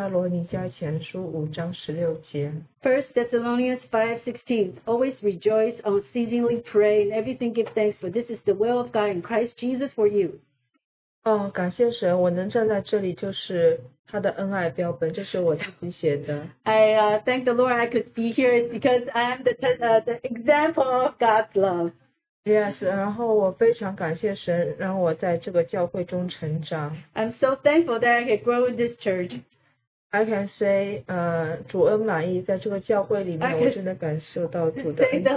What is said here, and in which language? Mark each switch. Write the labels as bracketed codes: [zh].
[zh] 你们要常常喜乐，不住祷告，凡事谢恩，因为这是神在耶稣基督里向你们所定的旨意。帖撒罗尼迦前书5章16节。 [en] First Thessalonians 5:16. Always rejoice, unceasingly pray, and everything give thanks, for this is the will of God in Christ Jesus for you. [zh] 感谢神，我能站在这里就是他的恩爱标本，这是我自己写的。 [en] I thank the Lord I could be here because I'm the example of God's love. Yes, [zh] 然后我非常感谢神让我在这个教会中成长。 [en] I'm so thankful that I could grow in this church. I can say, [zh] 主恩满意，在这个教会里面，我真的感受到主的恩典。